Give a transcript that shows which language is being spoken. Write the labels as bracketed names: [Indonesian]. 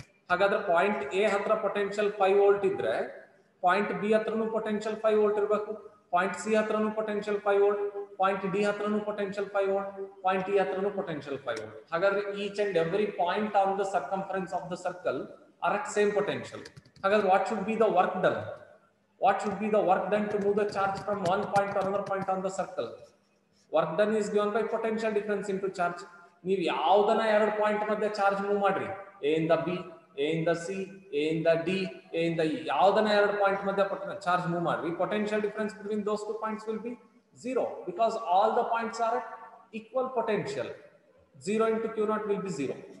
[Kannada] ಹಾಗಾದ್ರೆ point A ಹತ್ರ potential 5 volt ಇದ್ರೆ ಪಾಯಿಂಟ್ ಬಿ ಹತ್ರನೂ ಪೊಟೆನ್ಷಿಯಲ್ 5 volt ಇರಬೇಕು, ಪಾಯಿಂಟ್ ಸಿ ಹತ್ರನೂ ಪೊಟೆನ್ಷಿಯಲ್ 5 volt, ಪಾಯಿಂಟ್ ಡಿ ಹತ್ರನೂ ಪೊಟೆನ್ಷಿಯಲ್ 5 volt, ಪಾಯಿಂಟ್ ಇ ಹತ್ರನೂ ಪೊಟೆನ್ಷಿಯಲ್ 5 volt. ಹಾಗಾದ್ರೆ [English] Each and every point on the circumference of the circle are at same potential. Hagaagi what should be the work done? What should be the work done to move the charge from one point to another point on the circle? Work done is given by potential difference into charge. [Kannada] ನೀವು ಯಾವ್ದನ್ನ ಎರಡು point ಮಧ್ಯೆ charge move ಮಾಡ್ರಿ, A ಇಂದ B, A ಇಂದ C, A ಇಂದ D, A ಇಂದ E, ಯಾವ್ದನ್ನ ಎರಡು ಪಾಯಿಂಟ್ ಮಧ್ಯೆ ಚಾರ್ಜ್ ಮೂವ್ ಮಾಡ್ರಿ, [English] Potential difference between those two points will be zero, because all the points are at equal potential, zero into q naught will be zero.